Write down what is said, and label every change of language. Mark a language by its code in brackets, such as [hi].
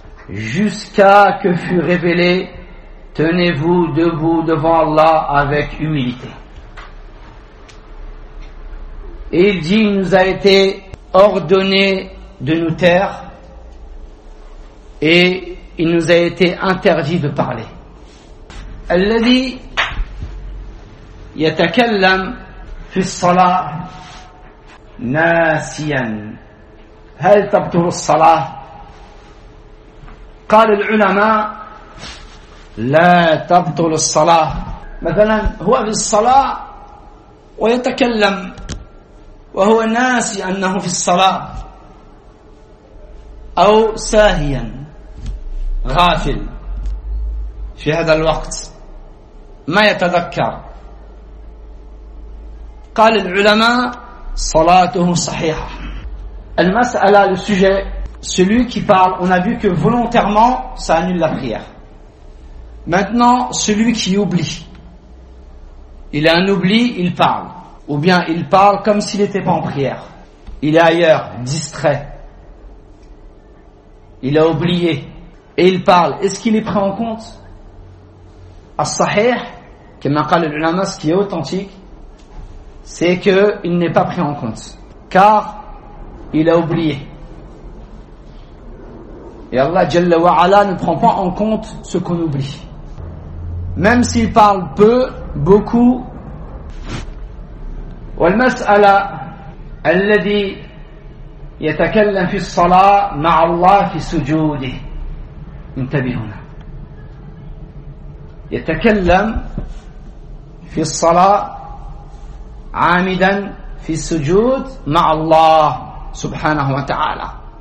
[fr] Jusqu'à que fut révélé: tenez-vous debout devant Allah avec humilité. Et il dit: il nous a été ordonné de nous taire et il nous a été interdit de parler. [ar] الذي يتكلم في الصلاة ناسيا هل تبطل الصلاة؟ قال العلماء: لا تبطل الصلاة. مثلا هو في الصلاة ويتكلم وهو ناسي أنه في الصلاة أو ساهيا غافل في هذا الوقت ما يتذكر، قال العلماء صلاته صحيحة. المسألة للسجد، [fr] celui qui parle, on a vu que volontairement ça annule la prière. Maintenant celui qui oublie, il a un oubli, il parle, ou bien il parle comme s'il n'était pas en prière, il est ailleurs, distrait, il a oublié et il parle. Est-ce qu'il est pris en compte? As-sahih, comme a dit l'ulama, ce qui est authentique, c'est qu'il n'est pas pris en compte, car il a oublié. Et Allah Jalla wa Ala ne prend pas en compte ce qu'on oublie. Même s'il parle peu, beaucoup. [ar] والمسألة الذي يتكلم في الصلاة مع الله في سجوده. انتبهنا. يتكلم في الصلاة عامدا في السجود مع الله سبحانه وتعالى.